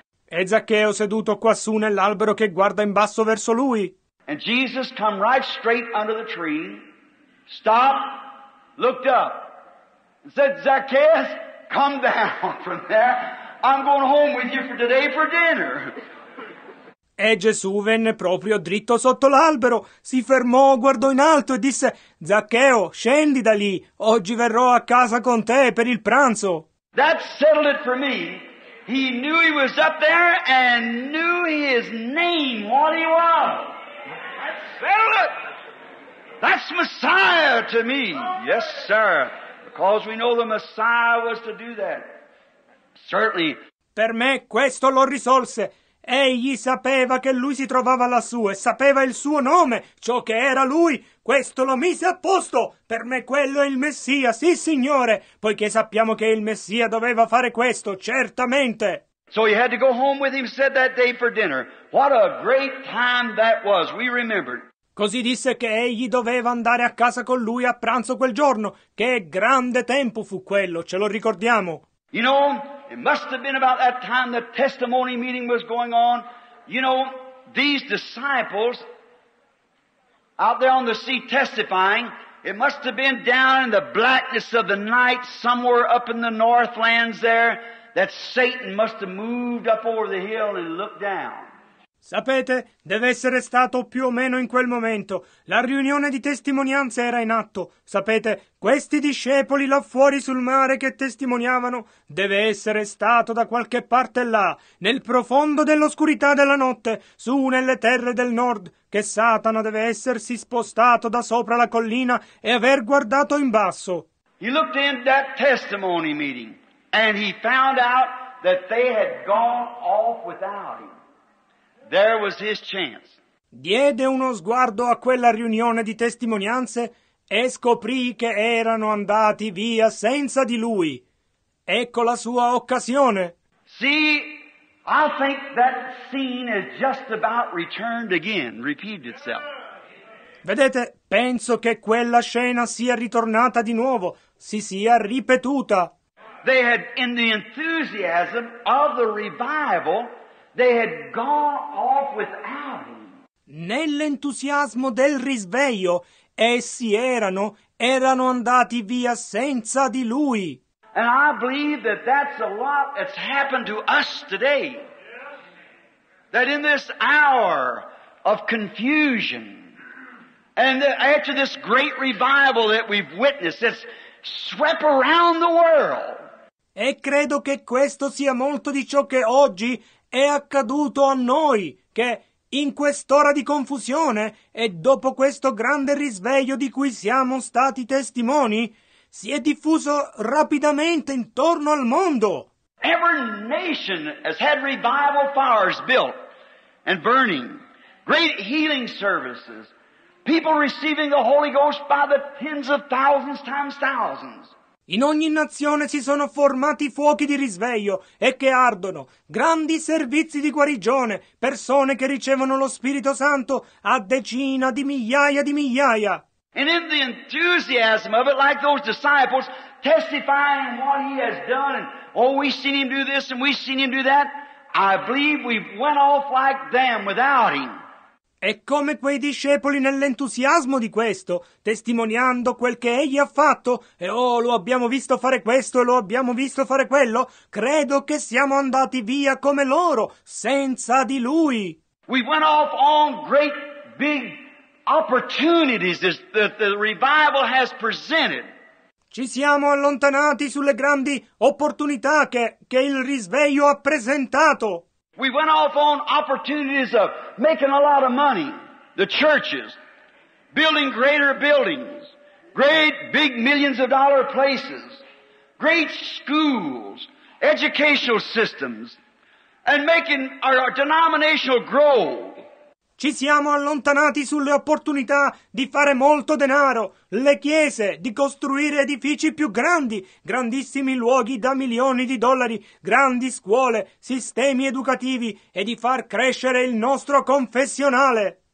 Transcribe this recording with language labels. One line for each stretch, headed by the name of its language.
Italian: E Zaccheo seduto quassù nell'albero che guarda in basso verso lui. E
English: Gesù come right straight under the tree, stop, looked up. Said, Zacchaeus, come down from there. I'm going home with you for today for dinner.
Italian: E Gesù venne proprio dritto sotto l'albero, si fermò, guardò in alto e disse, Zaccheo, scendi da lì, oggi verrò a casa con te per il pranzo.
English: That settled it for me. He knew he was up there and knew his name, what he was. That settled it. That's Messiah to me. Yes, sir. Because we know the Messiah was to do that. Certainly.
Italian: Per me questo lo risolse. Egli sapeva che lui si trovava lassù e sapeva il suo nome, ciò che era lui. Questo lo mise a posto. Per me quello è il Messia, sì signore, poiché sappiamo che il Messia doveva fare questo, certamente.
English: So he had to go home with him, said that day for dinner. What a great time that was, we remembered.
Italian: Così disse che egli doveva andare a casa con lui a pranzo quel giorno. Che grande tempo fu quello, ce lo ricordiamo.
English: You know, it must have been about that time the testimony meeting was going on. You know, these disciples out there on the sea testifying, it must have been down in the blackness of the night somewhere up in the northlands there that Satan must have moved up over the hill and looked down.
Italian: Sapete, deve essere stato più o meno in quel momento. La riunione di testimonianze era in atto. Sapete, questi discepoli là fuori sul mare che testimoniavano, deve essere stato da qualche parte là, nel profondo dell'oscurità della notte, su nelle terre del nord, che Satana deve essersi spostato da sopra la collina e aver guardato in basso.
English: He looked in that testimony meeting and he found out that they had gone off without him. There was his chance.
Italian: Diede uno sguardo a quella riunione di testimonianze e scoprì che erano andati via senza di lui. Ecco la sua occasione.
English: See, I think that scene is just about returned again, repeated itself.
Italian: Vedete, penso che quella scena sia ritornata di nuovo, si sia ripetuta.
English: They had, in the enthusiasm of the revival, they had gone off without him.
Italian: Nell'entusiasmo del risveglio, essi erano andati via senza di lui.
English: And I believe that that's a lot that's happened to us today. That in this hour of confusion, and after this great revival that we've witnessed, that's swept around the world.
Italian: E credo che questo sia molto di ciò che oggi è accaduto a noi, che in quest'ora di confusione e dopo questo grande risveglio di cui siamo stati testimoni, si è diffuso rapidamente intorno al mondo.
English: Every nation has had revival fires built and burning, great healing services, people receiving the Holy Ghost by the tens of thousands times thousands.
Italian: In ogni nazione si sono formati fuochi di risveglio e che ardono, grandi servizi di guarigione, persone che ricevono lo Spirito Santo a decina di migliaia.
English: And in the enthusiasm of it, like those disciples testifying what he has done, and oh, we've seen him do this and we've seen him do that, I believe we went off like them without him.
Italian: E come quei discepoli nell'entusiasmo di questo, testimoniando quel che egli ha fatto, e oh, lo abbiamo visto fare questo e lo abbiamo visto fare quello, credo che siamo andati via come loro, senza di lui.
English: We went off on great big opportunities that the revival has presented.
Italian: Ci siamo allontanati sulle grandi opportunità che il risveglio ha presentato.
English: We went off on opportunities of making a lot of money, the churches, building greater buildings, great big millions of dollar places, great schools, educational systems, and making our denominational grow.
Italian: Ci siamo allontanati sulle opportunità di fare molto denaro, le chiese, di costruire edifici più grandi, grandissimi luoghi da milioni di dollari, grandi scuole, sistemi educativi e di far crescere il nostro confessionale.